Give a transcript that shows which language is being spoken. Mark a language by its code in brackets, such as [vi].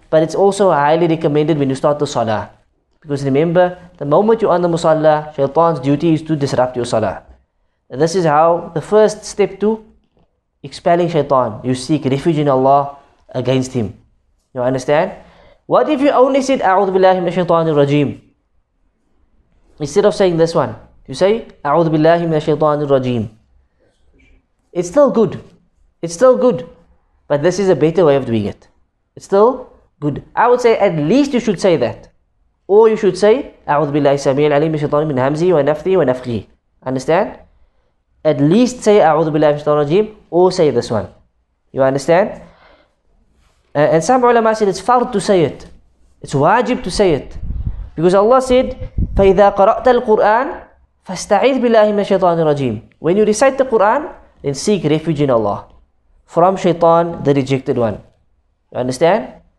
[en] But it's also highly recommended when you start the salah. Because remember, the moment you're on the musalla, shaitan's duty is to disrupt your salah. And this is how the first step to expelling shaitan. You seek refuge in Allah against him. You understand? What if you only said, [ar] A'udhu Billahi Minash Shaitanir Rajeem? [en] Instead of saying this one, You say, [ar] أعوذ بالله من الشيطان الرجيم. [en] It's still good. It's still good. But this is a better way of doing it. It's still good. I would say at least you should say that. Or you should say, [ar] أعوذ بالله السميع العليم من الشيطان من همزي ونفثي ونفخي. [en] Understand? At least say, [ar] أعوذ بالله من الشيطان الرجيم. [en] Or say this one. You understand? And some ulama said it's fard to say it. It's wajib to say it. Because Allah said, [ar] فَإِذَا قَرَأْتَ الْقُرْآنِ فَاسْتَعِذْ بِاللَّهِ مِنَ الشَّيْطَانِ الرَّجِيمِ. [en] When you recite the Quran, then seek refuge in Allah from Shaitan, the rejected one. You understand?